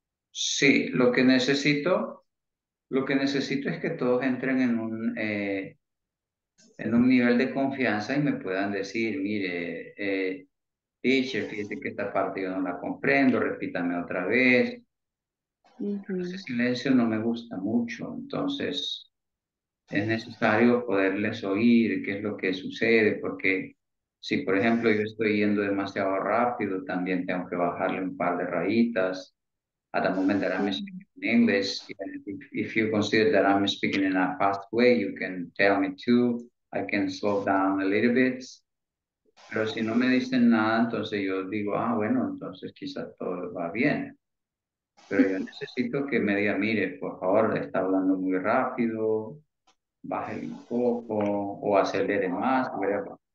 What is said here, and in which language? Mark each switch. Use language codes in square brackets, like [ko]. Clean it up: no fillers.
[es] Sí, lo que necesito es que todos entren en un nivel de confianza y me puedan decir, mire, teacher, fíjese que esta parte yo no la comprendo, repítame otra vez. Uh-huh. Ese silencio no me gusta mucho, entonces... Es necesario poderles oír qué es lo que sucede, porque si, por ejemplo, yo estoy yendo demasiado rápido, también tengo que bajarle un par de rayitas. [en] At the moment that I'm speaking in English, if you consider that I'm speaking in a fast way, you can tell me too. I can slow down a little bit. [es] Pero si no me dicen nada, entonces yo digo, ah, bueno, entonces quizás todo va bien. Pero yo necesito que me diga, mire, por favor, le está hablando muy rápido. Baje un poco o acelere más, whatever.